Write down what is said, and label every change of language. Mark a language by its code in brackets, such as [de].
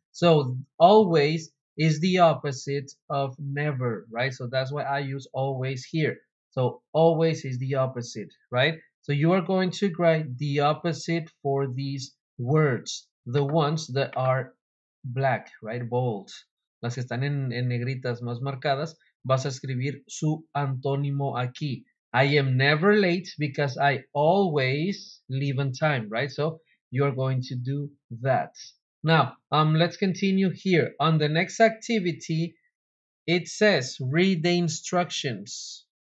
[en] So always is the opposite of never, right? So that's why I use always here. So always is the opposite, right? So you are going to write the opposite for these words, the ones that are black, right? Bold. [es] Las que están en negritas más marcadas. Vas a escribir su antónimo aquí. [en] I am never late because I always leave on time, right? So you are going to do that. Now, let's continue here. On the next activity, it says read the instructions.